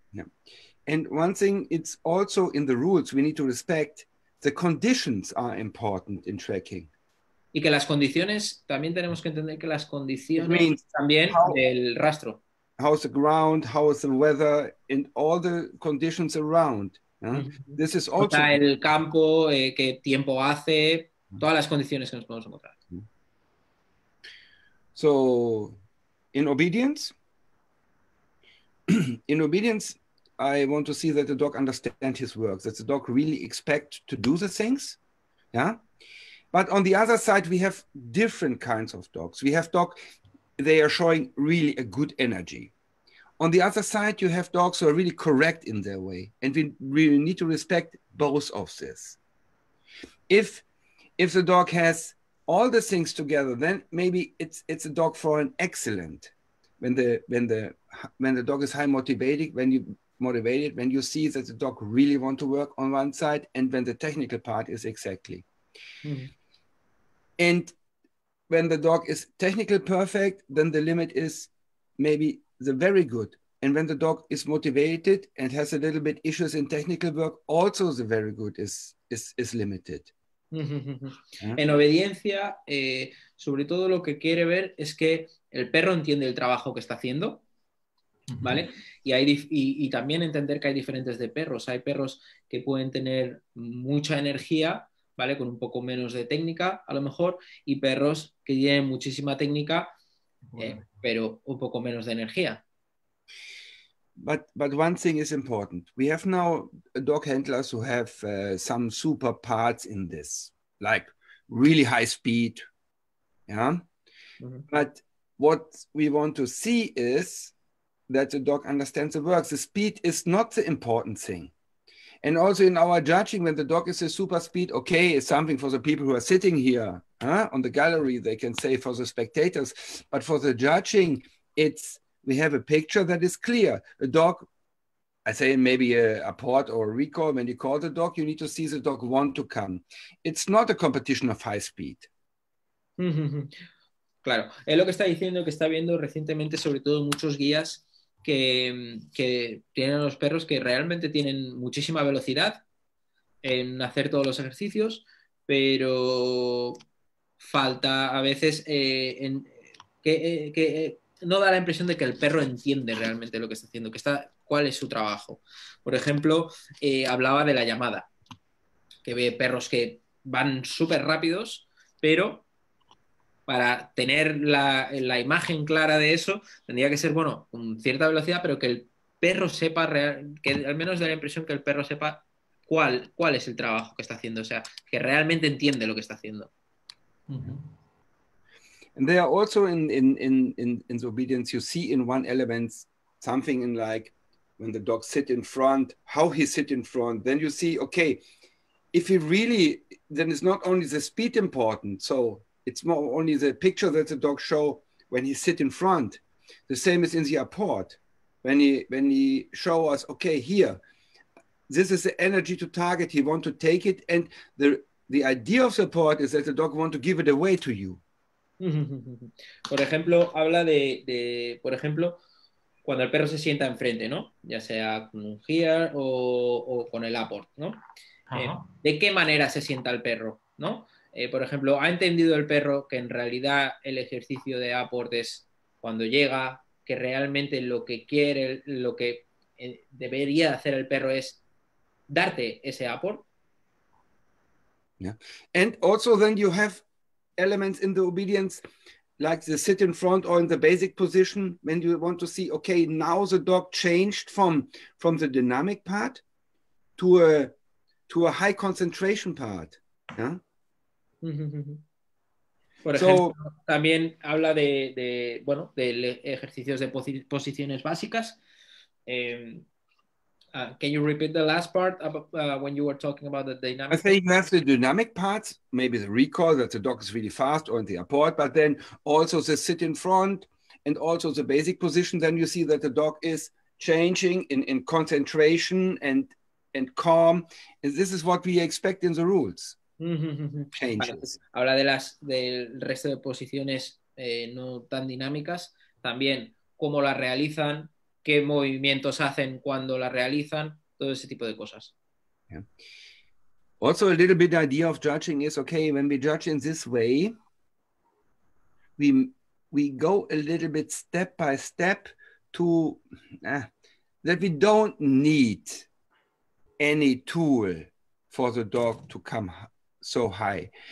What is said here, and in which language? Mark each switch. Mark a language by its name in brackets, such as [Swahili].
[English] Yeah. And one thing, it's also in the rules we need to respect, the conditions are important in tracking. [Spanish] Y que las condiciones, también tenemos que entender que las condiciones también del rastro. [English] How's the ground, how is the weather, and all the conditions around. Yeah? Mm-hmm. This is also... [Spanish] O sea, el campo, qué tiempo hace, todas las condiciones que nos podemos encontrar. [English] So, in obedience, I want to see that the dog understands his work, that the dog really expects to do the things. Yeah. But on the other side, we have different kinds of dogs. We have dogs, they are showing really a good energy. On the other side, you have dogs who are really correct in their way. And we really need to respect both of this. If the dog has all the things together, then maybe it's a dog for an excellent. When the dog is high motivated, when you see that the dog really want to work on one side, and when the technical part is exactly. Mm-hmm. And when the dog is technical perfect, then the limit is maybe the very good. And when the dog is motivated and has a little bit issues in technical work, also the very good is limited. [Spanish] En obediencia, sobre todo lo que quiere ver es que el perro entiende el trabajo que está haciendo, ¿vale? Y hay y también entender que hay diferentes de perros. Hay perros que pueden tener mucha energía, ¿vale? Con un poco menos de técnica, a lo mejor, y perros que tienen muchísima técnica, pero un poco menos de energía. [English] But one thing is important. We have now dog handlers who have some super parts in this, like really high speed. Yeah. Mm-hmm. But what we want to see is that the dog understands the works. The speed is not the important thing. And also in our judging, when the dog is a super speed, okay, it's something for the people who are sitting here on the gallery, they can say for the spectators, but for the judging, it's, we have a picture that is clear. A dog, I say maybe a port or a recall, when you call the dog, you need to see the dog want to come. It's not a competition of high speed. [Spanish] Claro, es lo que está diciendo, que está viendo recientemente, sobre todo muchos guías que tienen a los perros que realmente tienen muchísima velocidad en hacer todos los ejercicios, pero falta a veces no da la impresión de que el perro entiende realmente lo que está haciendo, que está, cuál es su trabajo. Por ejemplo, hablaba de la llamada, que ve perros que van súper rápidos, pero para tener la imagen clara de eso, tendría que ser, bueno, con cierta velocidad, pero que el perro sepa, que al menos dé la impresión que el perro sepa cuál es el trabajo que está haciendo, o sea, que realmente entiende lo que está haciendo. [English] And there are also in the obedience, you see in one element something in like when the dog sit in front, how he sit in front, then you see, okay, if he really, then it's not only the speed important, so it's more only the picture that the dog show when he sit in front. The same is in the apport. When he show us, okay, here, this is the energy to target, he want to take it, and the idea of support is that the dog want to give it away to you. [Spanish] Por ejemplo, habla de por ejemplo, cuando el perro se sienta enfrente, ¿no? Ya sea con un gear o con el apport, ¿no? ¿De qué manera se sienta el perro, ¿no? Por ejemplo, ¿ha entendido el perro que en realidad el ejercicio de apport es cuando llega, que realmente lo que quiere, lo que debería hacer el perro es darte ese apport? [English] Yeah. And also then you have elements in the obedience, like the sit in front or in the basic position, when you want to see, okay, now the dog changed from the dynamic part to a high concentration part. Yeah? [Spanish] Por ejemplo, so, también habla de ejercicios de posiciones básicas. [English] Can you repeat the last part when you were talking about the dynamic? I think you have the dynamic parts, maybe the recall that the dog is really fast or in the apport, but then also the sit in front and also the basic position. Then you see that the dog is changing in concentration and calm. And this is what we expect in the rules. Changes. Vale. [Spanish] Habla de las del resto de posiciones no tan dinámicas. También cómo las realizan, qué movimientos hacen cuando la realizan, todo ese tipo de cosas. [English] Yeah. Also, a little bit idea of judging is, okay, when we judge in this way, we go a little bit step by step to that we don't need any tool for the dog to come so high.